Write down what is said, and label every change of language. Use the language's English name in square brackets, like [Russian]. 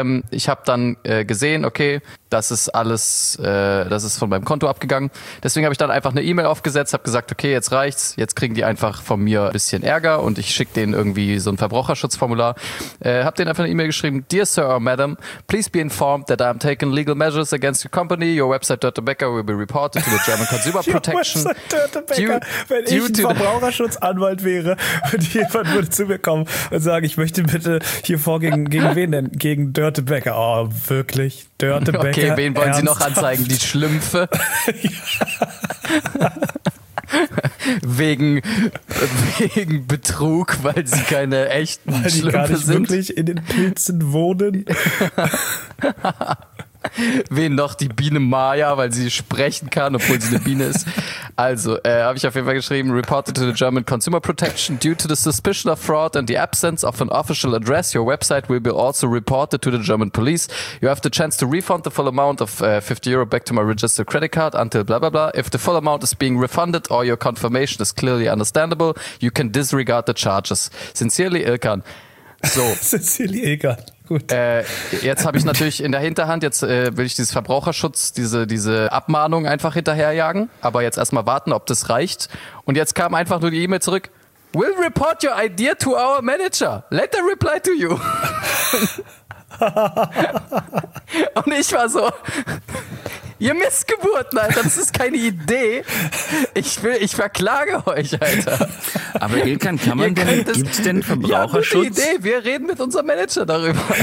[German] Ich habe dann gesehen, okay, das ist von meinem Konto abgegangen. Deswegen habe ich dann einfach eine E-Mail aufgesetzt, habe gesagt, okay, jetzt reicht's. Jetzt kriegen die einfach von mir ein bisschen Ärger und ich schicke denen irgendwie so ein Verbraucherschutzformular. Hab denen einfach eine E-Mail geschrieben. [English] Dear Sir or Madam, please be informed that I am taking legal measures against your company. Your website Dirt Tobacco will be reported to the German Consumer Protection. [German] Wenn ich ein Verbraucherschutzanwalt wäre und jemand würde zu mir kommen und sagen, ich möchte bitte hier vorgehen, gegen wen denn? Gegen Dirt Tobacco. Oh, wirklich? Dirt Tobacco? Okay, wen wollen ernsthaft? Sie noch anzeigen? Die Schlümpfe? Wegen Betrug, weil sie keine echten Schlümpfe sind. Weil die gar nicht sind. Wirklich in den Pilzen wohnen. Wen noch? Die Biene Maya, weil sie sprechen kann, obwohl sie eine Biene ist. Also, habe ich auf jeden Fall geschrieben, [English] reported to the German Consumer Protection due to the suspicion of fraud and the absence of an official address, your website will be also reported to the German police. You have the chance to refund the full amount of 50 euro back to my registered credit card until blah blah blah. If the full amount is being refunded or your confirmation is clearly understandable, you can disregard the charges. Sincerely, Ilkan. So. Sincerely, Ilkan. Gut. [German] Jetzt habe ich natürlich in der Hinterhand, jetzt will ich dieses Verbraucherschutz, diese Abmahnung einfach hinterherjagen, aber jetzt erstmal warten, ob das reicht. Und jetzt kam einfach nur die E-Mail zurück. [English] We'll report your idea to our manager. Let them reply to you. [German] Und ich war so, ihr Missgeburten, Alter, das ist keine Idee. Ich verklage euch, Alter. Aber Ilkan, kann man denn, gibt es denn Verbraucherschutz? Ja, gute Idee, wir reden mit unserem Manager darüber.